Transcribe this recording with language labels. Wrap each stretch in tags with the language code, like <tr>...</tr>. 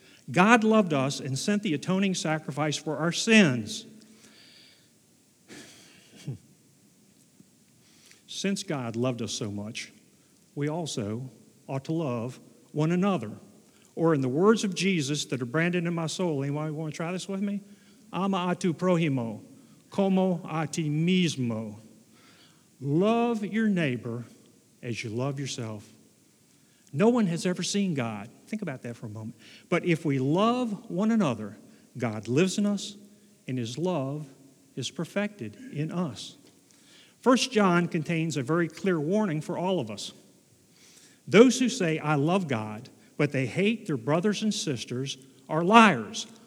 <en>God loved us and sent the atoning sacrifice for our sins. Since God loved us so much, we also ought to love one another. Or in the words of Jesus that are branded in my soul, anybody want to try this with me?</en> <es>Ama a tu prójimo como a ti mismo.</es> <en>Love your neighbor as you love yourself. No one has ever seen God. Think about that for a moment. But if we love one another, God lives in us and his love is perfected in us. 1 John contains a very clear warning for all of us. Those who say, I love God, but they hate their brothers and sisters, are liars.</en>